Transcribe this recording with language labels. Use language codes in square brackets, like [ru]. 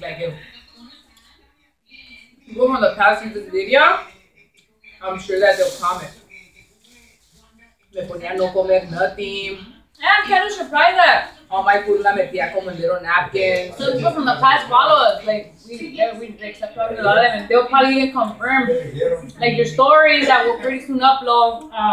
[en] Like, if people from the past see this video, I'm sure that they'll comment. [es] Me ponía no comer [en] nothing. Yeah, I'm kind of surprised that. All my food [es] la metía como en [en] little napkins. So people from the past follow us. Like, we accept a lot of them. And they'll probably even confirm, like, your stories that we'll pretty soon upload.